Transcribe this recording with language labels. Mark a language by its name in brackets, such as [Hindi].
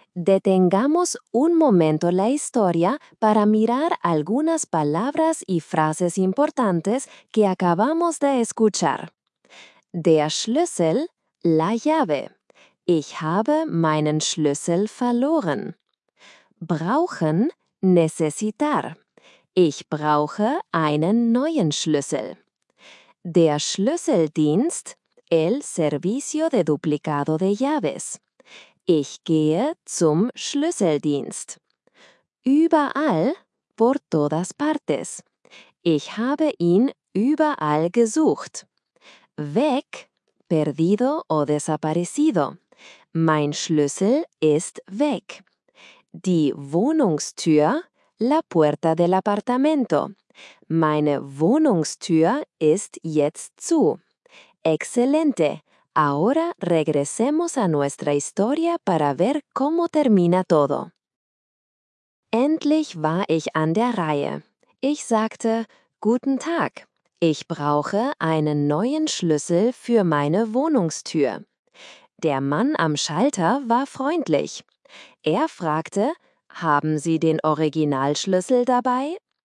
[Spanish] Detengamos un momento la historia para mirar algunas palabras y frases importantes que acabamos de escuchar. [German] Der Schlüssel, [Spanish] la llave. [German] Ich habe meinen Schlüssel verloren. Brauchen, necesitar. Ich brauche einen neuen Schlüssel. Der Schlüsseldienst, [Spanish] el servicio de duplicado de llaves. [German] Ich gehe zum Schlüsseldienst. [Spanish] Überall, por todas partes. [German] Ich habe ihn überall gesucht. [Spanish] Weg, perdido o desaparecido. [German] Mein Schlüssel ist weg. Die Wohnungstür, [Spanish] la puerta del apartamento. [German] Meine Wohnungstür ist jetzt zu. [Spanish] Excelente. Ahora regresemos a nuestra historia para ver cómo termina todo. [German] Endlich war ich an der Reihe. Ich sagte, guten Tag, ich brauche einen neuen Schlüssel für meine Wohnungstür. Der Mann am Schalter war freundlich. Er fragte, haben Sie den Originalschlüssel dabei?